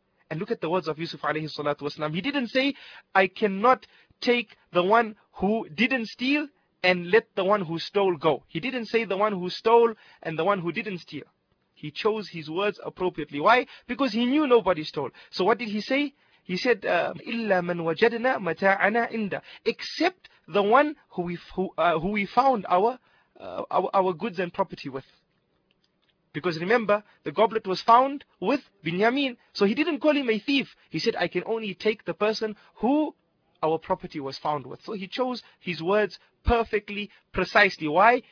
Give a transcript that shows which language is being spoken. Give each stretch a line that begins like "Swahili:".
English: And look at the words of Yusuf alayhi salatu wasalam. He didn't say, I cannot take the one who didn't steal and let the one who stole go. He didn't say the one who stole and the one who didn't steal. He chose his words appropriately. Why? Because he knew nobody stole. So what did he say? He said,
Arabic: إِلَّا مَنْ وَجَدْنَا مَتَاعَنَا إِنْدَ.
English: Except the one who we found our goods and property with. Because remember, the goblet was found with Binyamin. So he didn't call him a thief. He said, I can only take the person who our property was found with. So he chose his words perfectly, precisely. Why?